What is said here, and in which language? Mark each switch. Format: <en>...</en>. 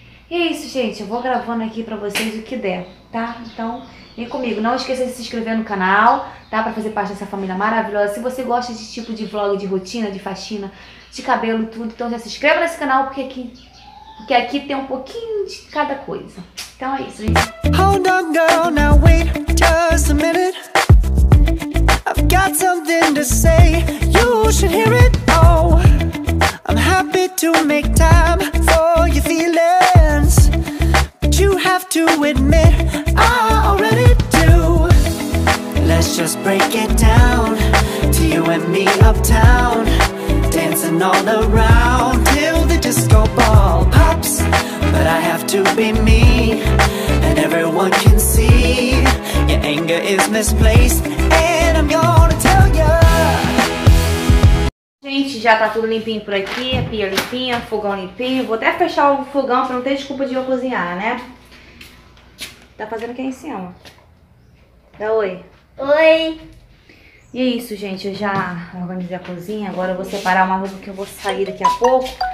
<pt>E é isso, gente. Eu vou gravando aqui pra vocês o que der, tá? Então, vem comigo. Não esqueça de se inscrever no canal, tá? Pra fazer parte dessa família maravilhosa. Se você gosta desse tipo de vlog, de rotina, de faxina, de cabelo e tudo, então já se inscreva nesse canal, porque aqui tem um pouquinho de cada coisa. Então é isso, gente.</pt> <en>Hold on, girl, now wait just a minute. I've got something to say, you should hear it all. I'm happy to make time for your feelings, but you have to admit I already do. Let's just break it down to you and me uptown. Dancing all around till the disco ball pops. But I have to be me, and everyone can see your anger is misplaced, and I'm gonna tell you.</en> <pt>Gente, já tá tudo limpinho por aqui, a pia limpinha, fogão limpinho. Vou até fechar o fogão pra não ter desculpa de eu cozinhar, né? Tá fazendo aqui em cima. Dá oi. Oi. E é isso, gente. Eu já organizei a cozinha. Agora eu vou separar uma roupa que eu vou sair daqui a pouco.</pt>